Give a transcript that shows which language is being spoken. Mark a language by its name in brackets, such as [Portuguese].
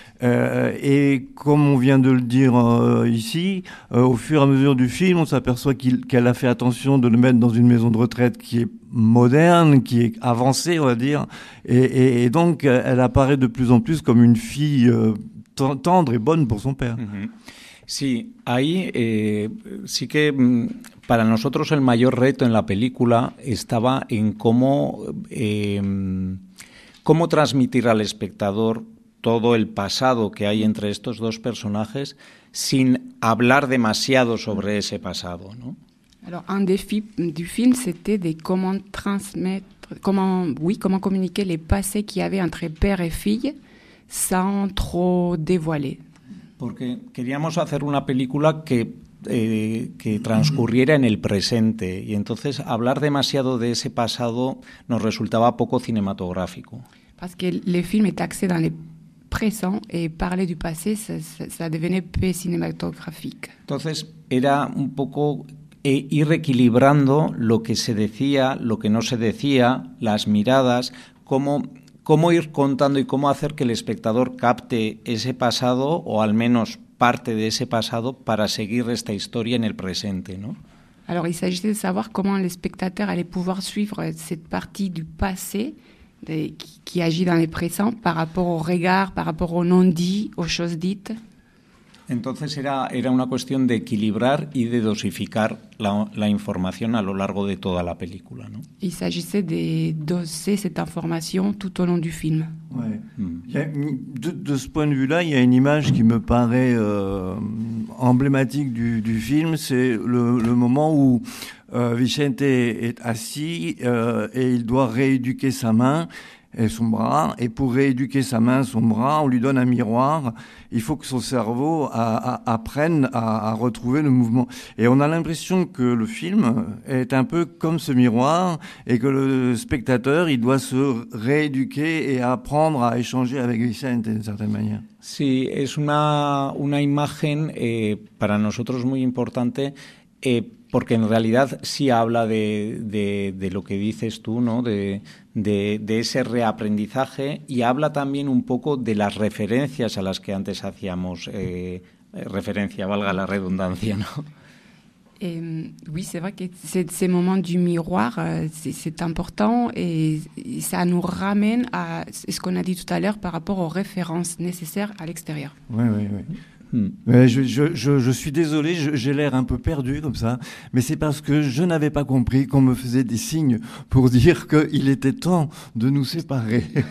[French] Et comme on vient de le dire ici, au fur et à mesure du film, on s'aperçoit qu'elle a fait attention de le mettre dans une maison de retraite qui est moderne, qui est avancée, on va dire. Et donc, elle apparaît de plus en plus comme une fille tendre et bonne pour son père. [Spanish] Sí, ahí sí que para nosotros el mayor reto en la película estaba en cómo transmitir al espectador todo el pasado que hay entre estos dos personajes sin hablar demasiado sobre ese pasado, ¿no? [French] Alors, un défi du film, c'était de comment transmettre, comment communiquer les passés qu'il y avait entre père et fille sans trop dévoiler. [Spanish] Porque queríamos hacer una película que transcurriera en el presente y entonces hablar demasiado de ese pasado nos resultaba poco cinematográfico. [French] Parce que le film est axé dans le présent et parler du passé, ça devenait peu cinématographique. [Spanish] Entonces era un poco ir equilibrando lo que se decía, lo que no se decía, las miradas, cómo ir contando y cómo hacer que el espectador capte ese pasado o al menos parte de ese pasado para seguir esta historia en el presente, ¿no? [French] Alors, il s'agissait de savoir comment le spectateur allait pouvoir suivre cette partie du passé qui agit dans le présent par rapport au regard, par rapport au non-dit, aux choses dites. [Spanish] Entonces era una cuestión de equilibrar y de dosificar la información a lo largo de toda la película, ¿no? [French] Il s'agissait de doser cette information tout au long du film. Ouais. De ce point de vue-là, il y a une image qui me paraît emblématique du film, c'est le moment où Vicente est assis et il doit rééduquer sa main. et son bras, et pour rééduquer sa main, son bras, on lui donne un miroir. Il faut que son cerveau apprenne à retrouver le mouvement. Et on a l'impression que le film est un peu comme ce miroir et que le spectateur, il doit se rééduquer et apprendre à échanger avec Vicente d'une certaine manière. [Spanish] Sí, es una imagen para nosotros muy importante. Porque en realidad sí habla de lo que dices tú, ¿no? De ese reaprendizaje y habla también un poco de las referencias a las que antes hacíamos referencia, valga la redundancia, ¿no? [French] Oui, c'est vrai que ces moments du miroir, c'est important et ça nous ramène à ce qu'on a dit tout à l'heure par rapport aux références nécessaires à l'extérieur. Oui, oui, oui. Mais je suis désolé, j'ai l'air un peu perdu comme ça, mais c'est parce que je n'avais pas compris qu'on me faisait des signes pour dire qu'il était temps de nous séparer.